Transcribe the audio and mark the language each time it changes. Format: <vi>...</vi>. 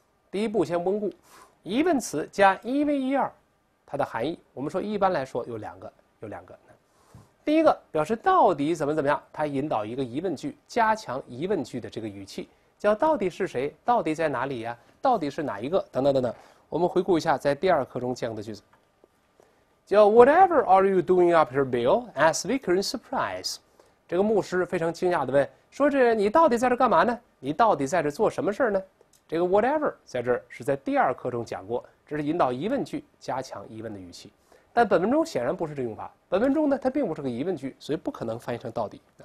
<zh>第一步先温故，疑问词加 ever， 它的含义，我们说一般来说有两个，有两个。第一个表示到底怎么怎么样，它引导一个疑问句，加强疑问句的这个语气，叫到底是谁，到底在哪里呀，到底是哪一个，等等等等。我们回顾一下在第二课中见过的句子。</zh> <en>叫 Whatever are you doing up here, Bill? Asked Vicar in surprise.</en> <zh>这个牧师非常惊讶地问：“说这你到底在这干嘛呢？你到底在这做什么事呢？” 这个 Whatever 在这是在第二课中讲过，这是引导疑问句，加强疑问的语气。但本文中显然不是这用法。本文中呢，它并不是个疑问句，所以不可能翻译成到底。</zh>